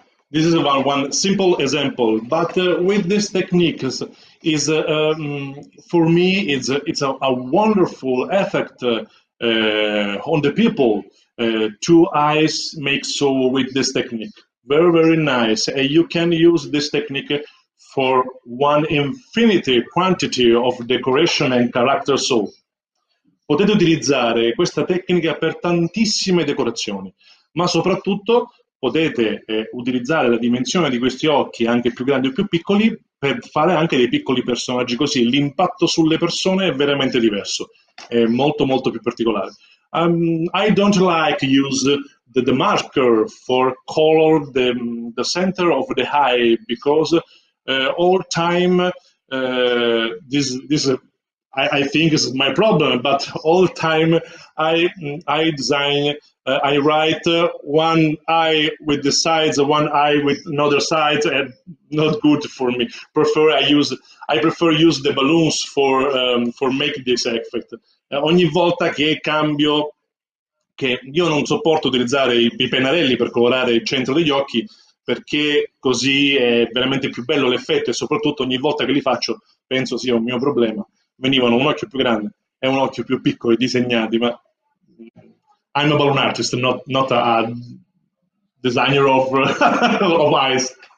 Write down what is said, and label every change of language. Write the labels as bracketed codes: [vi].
[en] This is about one simple example, but with these techniques, is for me, it's a wonderful effect on the people. Two eyes make so with this technique. Very, very nice. And you can use this technique for one infinity quantity of decoration and character so. [it] Potete utilizzare questa tecnica per tantissime decorazioni, ma soprattutto potete utilizzare la dimensione di questi occhi, anche più grandi o più piccoli, per fare anche dei piccoli personaggi così. L'impatto sulle persone è veramente diverso, è molto molto più particolare. [en] I don't like use the marker for color the center of the eye, because all time, I think is my problem, but all time I design, I write one eye with the sides, one eye with another side, and not good for me. I prefer use the balloons for make this effect. [it] Ogni volta che cambio, che io non sopporto utilizzare i pennarelli per colorare il centro degli occhi, perché così è veramente più bello l'effetto, e soprattutto ogni volta che li faccio penso sia un mio problema. Venivano un occhio più grande e un occhio più piccolo disegnati, ma [en] I'm a balloon artist, not a designer of eyes.